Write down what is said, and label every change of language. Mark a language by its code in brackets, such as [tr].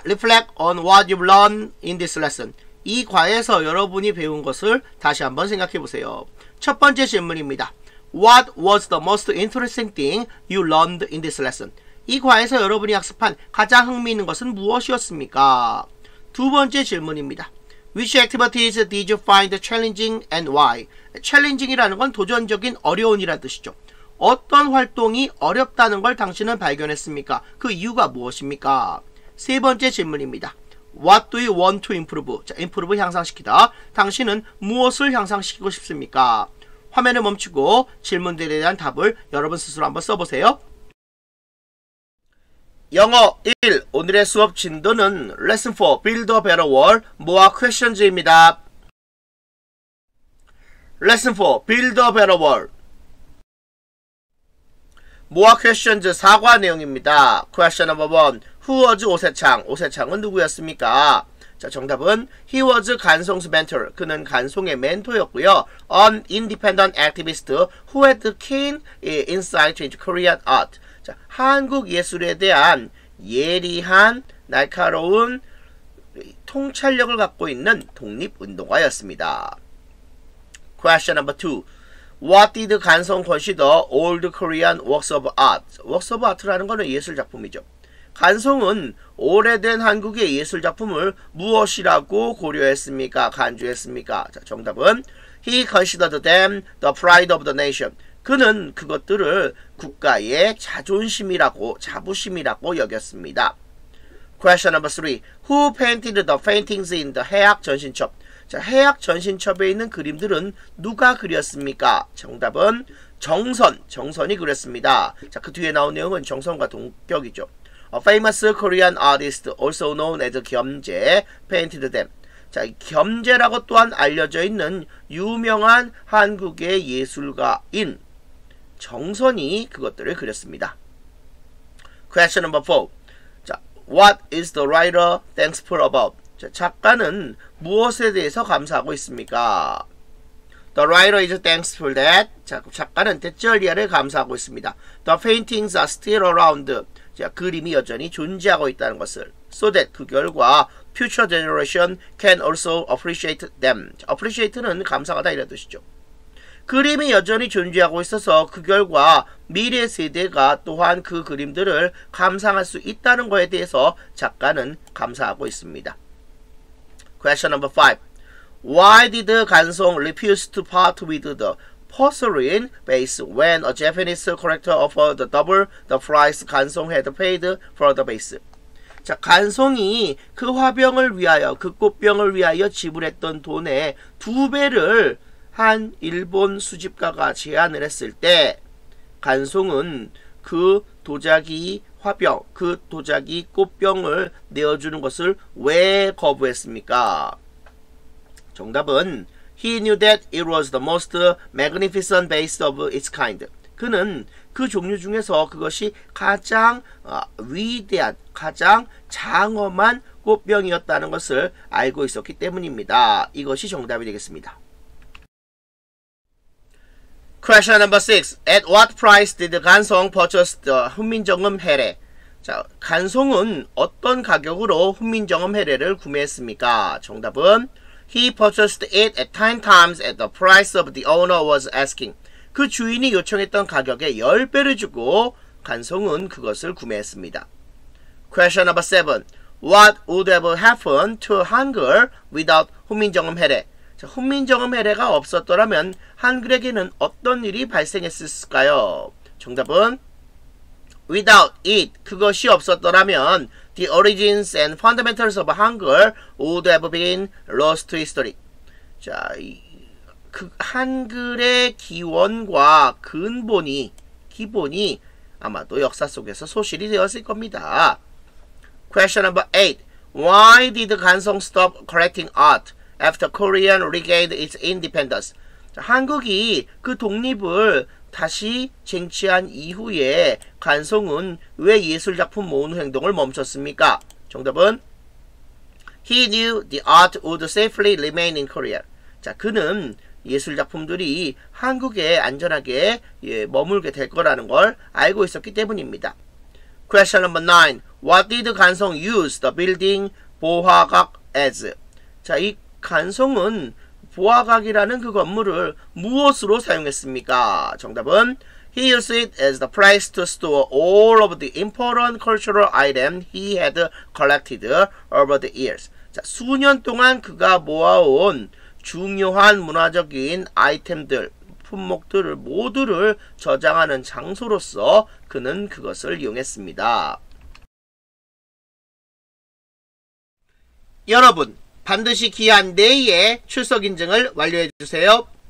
[en] Reflect on what you've learned in this lesson. [ko] 이 과에서 여러분이 배운 것을 다시 한번 생각해보세요. 첫 번째 질문입니다. [en] What was the most interesting thing you learned in this lesson? [ko] 이 과에서 여러분이 학습한 가장 흥미있는 것은 무엇이었습니까? 두 번째 질문입니다. [en] Which activities did you find challenging and why? [ko] Challenging이라는 건 도전적인 어려운이라는 뜻이죠. 어떤 활동이 어렵다는 걸 당신은 발견했습니까? 그 이유가 무엇입니까? 세 번째 질문입니다. [en] What do you want to improve? [ko] 자, improve 향상시키다. 당신은 무엇을 향상시키고 싶습니까? 화면을 멈추고 질문들에 대한 답을 여러분 스스로 한번 써보세요. 영어 1. 오늘의 수업 진도는 Lesson 4. [en] Build a Better World. More Questions입니다. Lesson 4. Build a Better World. More Questions [ko] 사과 내용입니다. [en] Question number 1. Who was 오세창? [ko] 오세창은 누구였습니까? 자, 정답은 [en] He was 간송's mentor. [ko] 그는 간송의 멘토였고요. [en] An independent activist who had keen insight into Korean art. [ko] 자, 한국 예술에 대한 예리한 날카로운 통찰력을 갖고 있는 독립운동가였습니다. [en] Question number 2. What did 간송 consider old Korean works of art? [ko] Works of art라는 것은 예술작품이죠. 간송은 오래된 한국의 예술작품을 무엇이라고 고려했습니까? 간주했습니까? 자, 정답은 [en] He considered them the pride of the nation. [ko] 그는 그것들을 국가의 자존심이라고 자부심이라고 여겼습니다. [en] Question number 3. Who painted the paintings in the 해악 전신첩? [ko] 자, 해악 전신첩에 있는 그림들은 누가 그렸습니까? 정답은 정선이 그렸습니다. 자, 그 뒤에 나온 내용은 정선과 동격이죠. [en] A famous Korean artist also known as 겸재 painted them. [ko] 자, 겸재라고 또한 알려져 있는 유명한 한국의 예술가인 정선이 그것들을 그렸습니다. [en] Question number 4. 자, what is the writer thankful about? [ko] 자, 작가는 무엇에 대해서 감사하고 있습니까? [en] The writer is thankful that. [ko] 자, 작가는 데짤리아를 감사하고 있습니다. [en] The paintings are still around. [ko] 자, 그림이 여전히 존재하고 있다는 것을. [en] So that [ko] 그 결과 [en] future generation can also appreciate them. [ko] appreciate는 감사하다 이런 뜻이죠. 그림이 여전히 존재하고 있어서 그 결과 미래 세대가 또한 그 그림들을 감상할 수 있다는 것에 대해서 작가는 감사하고 있습니다. [en] Question number 5. Why did 간송 refuse to part with the porcelain base when a Japanese collector offered double the price 간송 had paid for the base? [ko] 자, 간송이 그 화병을 위하여, 그 꽃병을 위하여 지불했던 돈의 두 배를 한 일본 수집가가 제안을 했을 때 간송은 그 도자기 화병, 그 도자기 꽃병을 내어주는 것을 왜 거부했습니까? 정답은 [en] He knew that it was the most magnificent vase of its kind. [ko] 그는 그 종류 중에서 그것이 가장 위대한, 가장 장엄한 꽃병이었다는 것을 알고 있었기 때문입니다. 이것이 정답이 되겠습니다. [en] Question number 6. At what price did 간송 purchase the 훈민정음 해례? [ko] 자, 간송은 어떤 가격으로 훈민정음 해례를 구매했습니까? 정답은 [en] He purchased it at 10 times at the price of the owner was asking. [ko] 그 주인이 요청했던 가격에 10배를 주고 간송은 그것을 구매했습니다. [en] Question number 7. What would have happened to Hangul without 훈민정음 해례? [ko] 훈민정음 해례가 없었더라면 한글에게는 어떤 일이 발생했을까요? 정답은 [en] Without it, [ko] 그것이 없었더라면 [en] The origins and fundamentals of Hangul would have been lost to history. [ko] 자, 그 한글의 기원과 근본이 기본이 아마도 역사 속에서 소실이 되었을 겁니다. [en] Question number 8. Why did Kan Song stop collecting art after Korea regained its independence? [ko] 한국이 그 독립을 다시 쟁취한 이후에 관송은 왜 예술 작품 모은 행동을 멈췄습니까? 정답은 [en] He knew the art would safely remain in Korea. [ko] 자, 그는 예술 작품들이 한국에 안전하게 머물게 될 거라는 걸 알고 있었기 때문입니다. [en] Question number 9. What did 관송 use the building 보화각 as? [ko] 자, 이 관송은 보화각이라는 그 건물을 무엇으로 사용했습니까? 정답은 [en] He used it as the place to store all of the important cultural items he had collected over the years. [ko] 자, 수년 동안 그가 모아온 중요한 문화적인 아이템들, 품목들을 모두를 저장하는 장소로서 그는 그것을 이용했습니다. 여러분! 반드시 기한 내에 출석 인증을 완료해 주세요.